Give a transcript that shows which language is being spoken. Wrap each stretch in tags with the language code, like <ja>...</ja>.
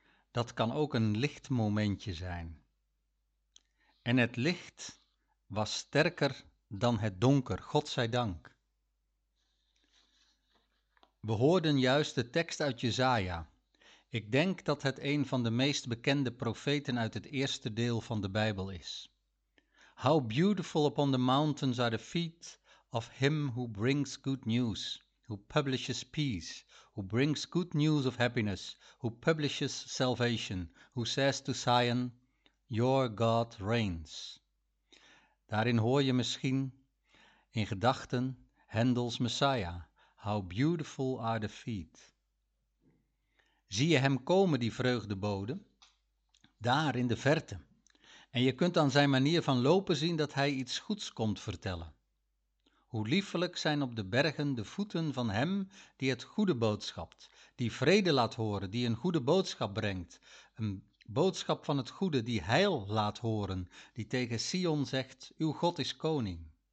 <nl>Dat kan ook een lichtmomentje zijn. En het licht was sterker dan het donker, Godzijdank. We hoorden juist de tekst uit Jesaja. Ik denk dat het een van de meest bekende profeten uit het eerste deel van de Bijbel is.</nl> <en>How beautiful upon the mountains are the feet of him who brings good news, who publishes peace, who brings good news of happiness, who publishes salvation, who says to Zion, your God reigns.</en> <nl>Daarin hoor je misschien, in gedachten, Händels Messiah.</nl> <en>How beautiful are the feet.</en> <nl>Zie je hem komen, die vreugdebode? Daar in de verte. En je kunt aan zijn manier van lopen zien dat hij iets goeds komt vertellen. Hoe liefelijk zijn op de bergen de voeten van hem die het goede boodschapt, die vrede laat horen, die een goede boodschap brengt, een boodschap van het goede die heil laat horen, die tegen Sion zegt, uw God is koning.</nl>